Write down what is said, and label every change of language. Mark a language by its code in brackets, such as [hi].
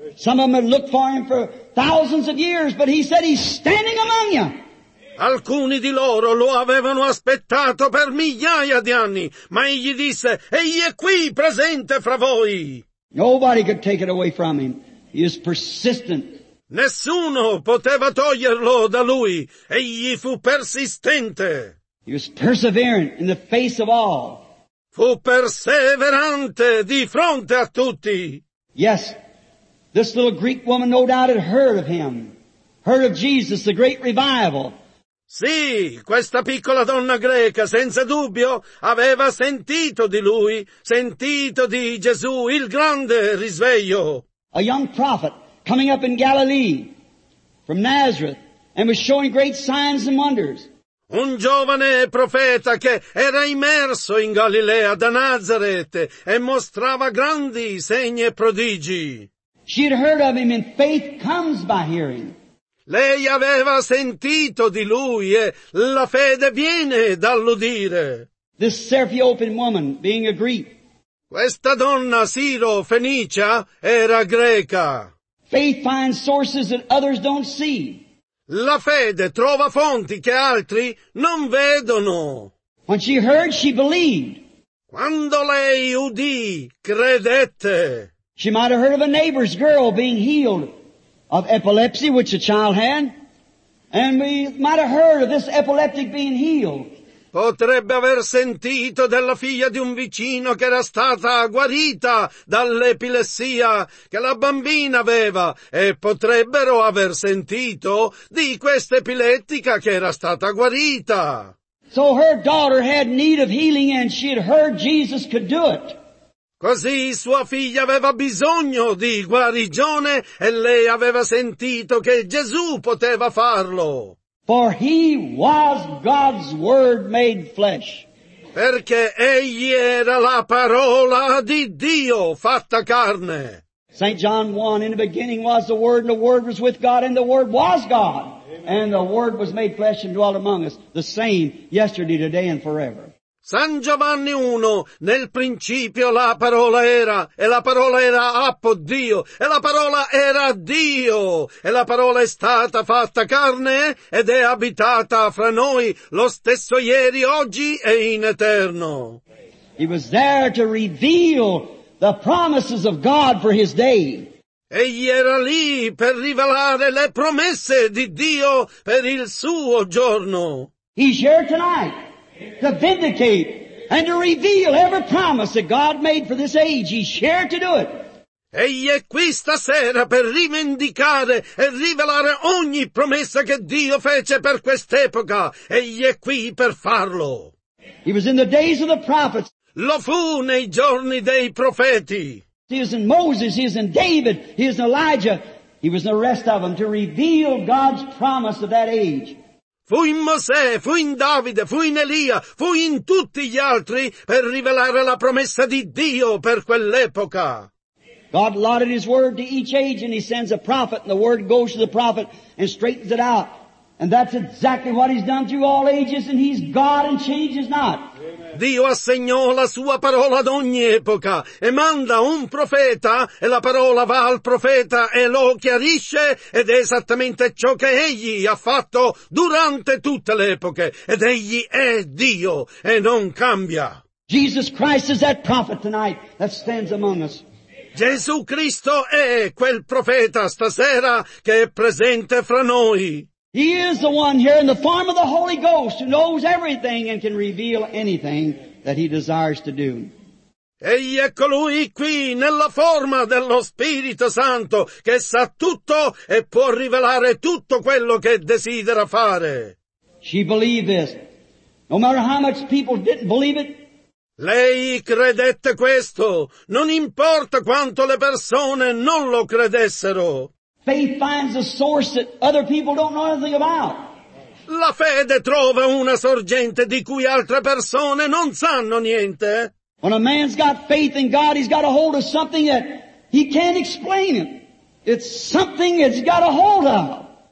[en] Some of them had looked for him for thousands of years, but he said he's standing among you. [it] Alcuni di loro lo avevano aspettato per migliaia di anni, ma egli disse, egli è qui, presente fra voi. [en] Nobody could take it away from him. He is persistent. [it] Nessuno poteva toglierlo da lui. Egli fu persistente. [en] He was perseverant in the face of all. [it] Fu perseverante di fronte a tutti. [en] Yes, this little Greek woman no doubt had heard of him, heard of Jesus, the great revival. [it] Sì, questa piccola donna greca, senza dubbio, aveva sentito di lui, sentito di Gesù, il grande risveglio. [en] A young prophet coming up in Galilee from Nazareth and was showing great signs and wonders. [it] Un giovane profeta che era immerso in Galilea da Nazareth e mostrava grandi segni e prodigi. [en] She had heard of him and faith comes by hearing. [it] Lei aveva sentito di lui e la fede viene dall'udire. [en] This Syrophoenician woman, being a Greek. [it] Questa donna Siro-Fenicia era greca. [en] Faith finds sources that others don't see. [it] La fede trova fonti che altri non vedono. [en] When she heard, she believed. [it] Quando lei udì, credette. [en] She might have heard of a neighbor's girl being healed of epilepsy, which a child had. And we might have heard of this epileptic being healed. [it] Potrebbe aver sentito della figlia di un vicino che era stata guarita dall'epilessia che la bambina aveva e potrebbero aver sentito di questa epilettica che era stata guarita. [en] So her daughter had need of healing and she had heard Jesus could do it. [it] Così sua figlia aveva bisogno di guarigione e lei aveva sentito che Gesù poteva farlo. [en] For he was God's word made flesh. [it] Perché egli era la parola di Dio fatta carne. [en] St. John 1, in the beginning was the word, and the word was with God, and the word was God. Amen. And the word was made flesh and dwelt among us, the same yesterday, today, and forever. [it] San Giovanni 1, nel principio la parola era, e la parola era appo Dio, e la parola era Dio, e la parola è stata fatta carne ed è abitata fra noi, lo stesso ieri, oggi e in eterno. [en] He was there to reveal the promises of God for his day. [it] Egli era lì per rivelare le promesse di Dio per il suo giorno. [en] He's here tonight to vindicate and to reveal every promise that God made for this age. He's here to do it. [it] Egli è qui stasera per rivendicare e rivelare ogni promessa che Dio fece per quest'epoca. Egli è qui per farlo. [en] He was in the days of the prophets. [it] Lo fu nei giorni dei profeti. [en] He was in Moses, he was in David, he was in Elijah, he was in the rest of them to reveal God's promise of that age. [it] Fu in Mosè, fu in Davide, fu in Elia, fu in tutti gli altri per rivelare la promessa di Dio per quell'epoca. [en] God allotted his word to each age and he sends a prophet and the word goes to the prophet and straightens it out. And that's exactly what he's done through all ages and he's God and changes not. Amen. [it] Dio assegnò la sua parola ad ogni epoca e manda un profeta e la parola va al profeta e lo chiarisce ed è esattamente ciò che egli ha fatto durante tutte le epoche ed egli è Dio e non cambia. [en] Jesus Christ is that prophet tonight that stands among us. [it] Gesù Cristo è quel profeta stasera che è presente fra noi. [en] He is the one here in the form of the Holy Ghost who knows everything and can reveal anything that he desires to do. [it] Egli è colui qui nella forma dello Spirito Santo che sa tutto e può rivelare tutto quello che desidera fare. [en] She believed this. No matter how much people didn't believe it, [it] lei credette questo, non importa quanto le persone non lo credessero. [en] Faith finds a source that other people don't know anything about. [it] La fede trova una sorgente di cui altre persone non sanno niente. [en] When a man's got faith in God, he's got a hold of something that he can't explain it. It's something that he's got a hold of.